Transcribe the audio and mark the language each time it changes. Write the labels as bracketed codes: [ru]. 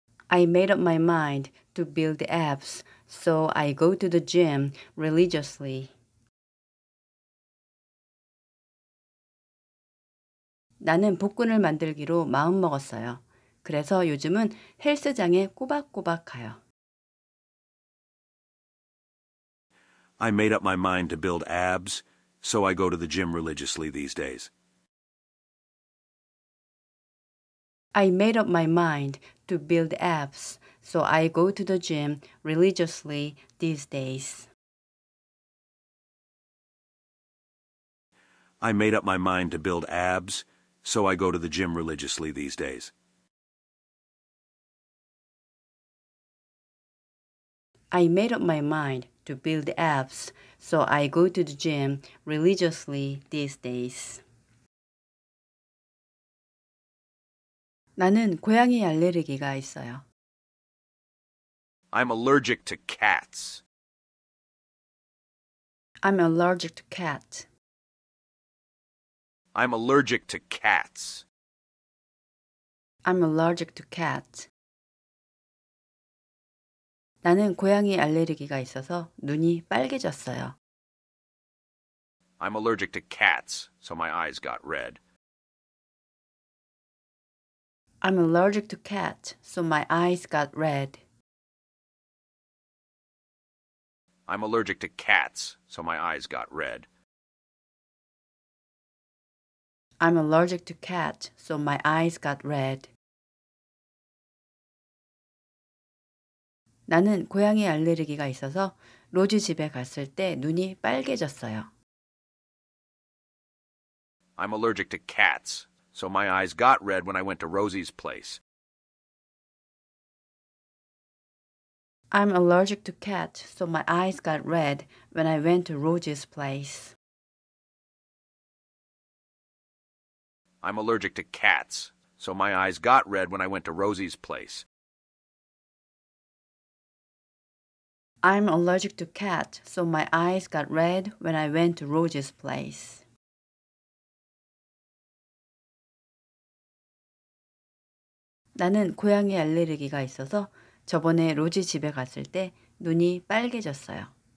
[en] I made up my mind to build abs, so I go to the gym religiously. [ko] 나는 복근을 만들기로 마음 먹었어요. 그래서 요즘은 헬스장에 꼬박꼬박 가요. [en] I made up my mind to build abs, so I go to the gym religiously these days. I made up my mind to build abs, so I go to the gym religiously these days. I made up my mind to build abs, so I go to the gym religiously these days. I made up my mind to build abs, so I go to the gym religiously these days. [ko] 나는 고양이 알레르기가 있어요. [en] I'm allergic to cats. I'm allergic to cats. I'm allergic to cats. I'm allergic to cats. [ko] 나는 고양이 알레르기가 있어서 눈이 빨개졌어요. [en] I'm allergic to cats, so my eyes got red. I'm allergic to cats, so my eyes got red. I'm allergic to cats, so my eyes got red. I'm allergic to cats, so my eyes got red. [ko] 나는 고양이 알레르기가 있어서 로지 집에 갔을 때 눈이 빨개졌어요. [en] I'm allergic to cats. So my eyes got red when I went to Rosy's place. I'm allergic to cats, so my eyes got red when I went to Rosy's place. I'm allergic to cats, so my eyes got red when I went to Rosy's place. I'm allergic to cats, so my eyes got red when I went to Rosy's place. [ko] 나는 고양이 알레르기가 있어서 저번에 로지 집에 갔을 때 눈이 빨개졌어요.